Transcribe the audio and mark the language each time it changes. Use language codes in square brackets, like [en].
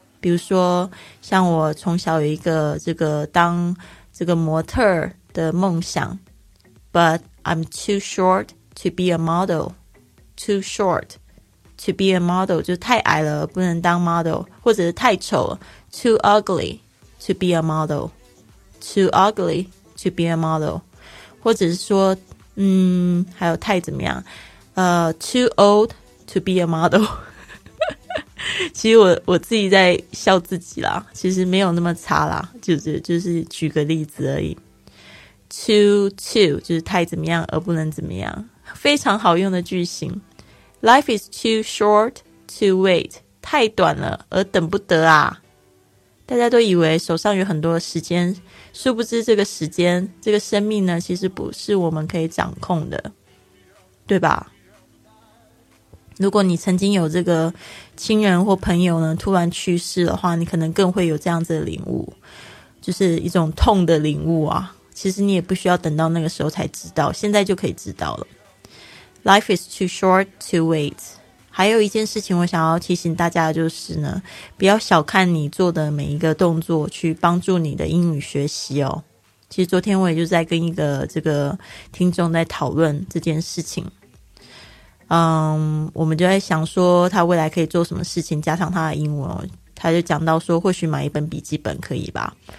[zh] 比如说像我从小有一个这个当这个模特的梦想， [en] But I'm too short to be a model. Too short to be a model [zh] 就太矮了不能当 [en] model， [zh] 或者是太丑了， [en] Too ugly to be a model. Too ugly to be a model. [zh] 或者是说还有太怎么样， [en] Too old to be a model. [zh] 其实 我自己在笑自己啦，其实没有那么差啦，就是举个例子而已。 too 就是太怎么样而不能怎么样，非常好用的句型。 [en] Life is too short to wait， [zh] 太短了而等不得啊。大家都以为手上有很多时间，殊不知这个时间这个生命呢其实不是我们可以掌控的，对吧？如果你曾经有这个亲人或朋友呢突然去世的话，你可能更会有这样子的领悟，就是一种痛的领悟啊。其实你也不需要等到那个时候才知道，现在就可以知道了。 [en] Life is too short to wait. [zh] 还有一件事情我想要提醒大家的就是呢，不要小看你做的每一个动作去帮助你的英语学习哦。其实昨天我也就在跟一个这个听众在讨论这件事情，我们就在想说他未来可以做什么事情加上他的英文，他就讲到说或许买一本笔记本可以吧。